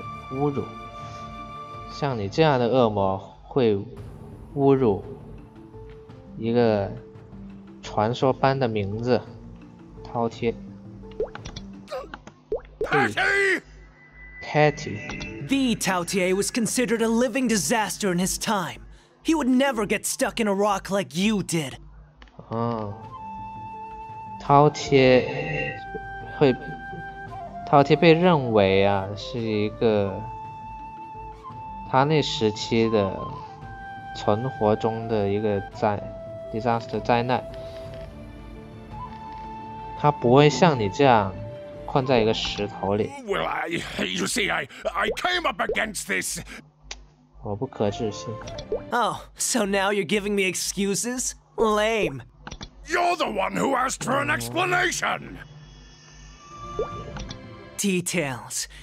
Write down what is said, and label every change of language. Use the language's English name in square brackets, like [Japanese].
[Chinese] 侮辱，像你这样的恶魔会侮辱一个传说般的名字，饕餮。 [English] Petty. The Taltier was considered a living disaster in his time. He would never get stuck in a rock like you did. [Chinese] 哦，饕餮会，饕餮被认为啊是一个。他那时期的存活中的一个灾难，他不会像你这样困在一个石头里。 [English] Well, you see, I came up against this. [Chinese] 我不可置信。 [English] Oh, so now you're giving me excuses? Lame. You're the one who asked for an explanation. Details.